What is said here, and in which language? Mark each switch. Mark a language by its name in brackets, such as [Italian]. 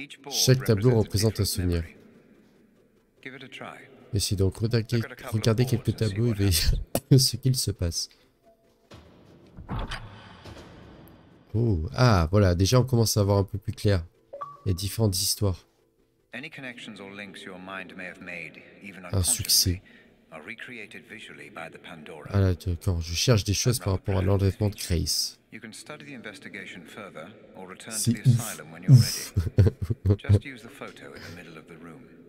[French] Chaque tableau représente un souvenir. Essayez donc de regarder quelques tableaux et voyez ce qu'il se passe. Oh, ah, voilà, déjà on commence à avoir un peu plus clair. Il y a différentes histoires. [English] Any connections or links your mind may have made, even [French] un succès. [English] Are recreated visually by the Pandora. [French] Ah là, d'accord, je cherche des choses par rapport à l'enlèvement de Grace. [English] You can study the investigation further or return to the asylum when you're ready. Just use the photo in the middle of the room.